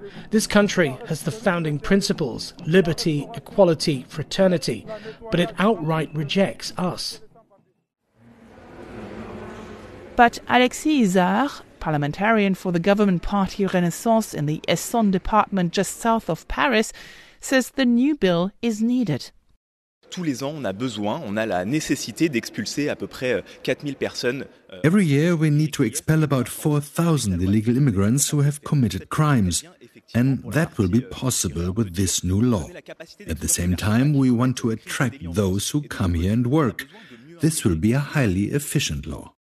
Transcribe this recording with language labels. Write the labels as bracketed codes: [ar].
[en] This country has the founding principles, liberty, equality, fraternity, but it outright rejects us. But Alexis Isard, parliamentarian for the government party Renaissance in the Essonne department just south of Paris, says the new bill is needed. [fr] Tous les ans, on a besoin, on a la nécessité d'expulser à peu près 4000 personnes. [en] Every year, we need to expel about 4000 illegal immigrants who have committed crimes. And that will be possible with this new law. At the same time, we want to attract those who come here and work. This will be a highly efficient law.